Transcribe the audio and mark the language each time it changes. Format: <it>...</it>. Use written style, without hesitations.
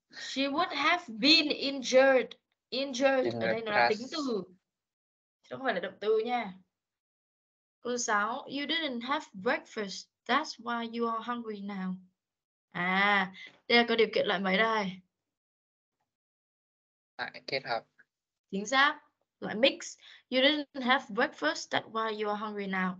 <vi>She would have been injured. Injured ở đây nó là tính từ, chứ không phải là động từ nha.</vi> <en>Câu 6, you didn't have breakfast, that's why you are hungry now.</en> <vi>À, đây là có điều kiện loại mấy đây? Loại kết hợp. Chính xác, loại mix.</vi> <en>You didn't have breakfast, that's why you are hungry now.</en>